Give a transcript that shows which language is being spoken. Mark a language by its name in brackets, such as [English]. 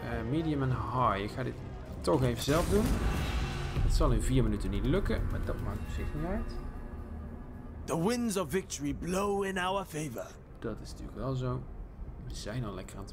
[Dutch] Medium en high. Ik ga dit toch even zelf doen. Het zal in 4 minuten niet lukken, maar dat maakt op zich niet uit. [English] The winds of victory blow in our favor. [Dutch] Dat is natuurlijk wel zo. We zijn al lekker aan het